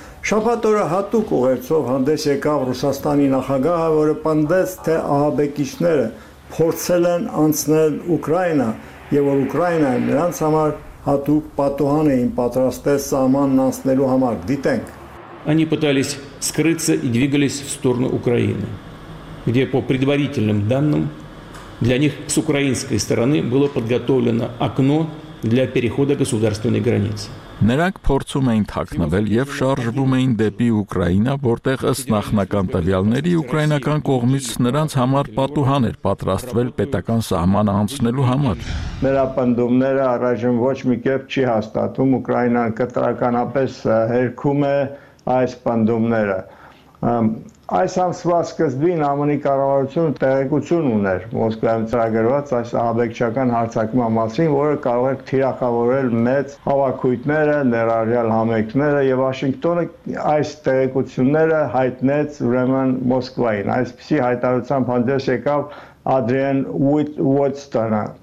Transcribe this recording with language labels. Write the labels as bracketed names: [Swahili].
[Armenian] Շաբաթ օրը հատուկ ուղերձով հանդես եկավ Ռուսաստանի նախագահը, որը պնդեց, թե ահաբեկիչները փորձել են անցնել Ուկրաինա, և որ Ուկրաինան նրանց համար հատուկ պատուհան էին պատրաստել սահմանն անցնելու համար։ Դիտենք։ [Russian] Они пытались скрыться и двигались в сторону Украины, где по предварительным данным для них с украинской стороны было подготовлено окно для перехода государственной границы. [Armenian] Նրանք փորձում էին թաքնվել եւ շարժվում էին դեպի Ուկրաինա, որտեղ ըստ նախնական տվյալների ուկրաինական կողմից նրանց համար պատուհան էր պատրաստվել պետական սահմանը անցնելու համար։ Նրա պնդումները առայժմ ոչ մի կերպ չի հաստատում, Ուկրաինան կտրականապես հերքում է այս պնդումները։ Այս ամսվա սկզբին ԱՄՆ-ի կառավարությունը տեղեկություն ուներ Մոսկվայում ծրագրված այս ահաբեկչական հարձակման մասին, որը կարող էր թիրախավորել մեծ հավաքույտները, ներառյալ համայնքները, եւ Վաշինգտոնը այս տեղեկությունները հայտնեց ուրեմն Մոսկվային։ Այսպիսի հայտարարությամբ հանդես եկավ Ադրիան Ուոտստոնը,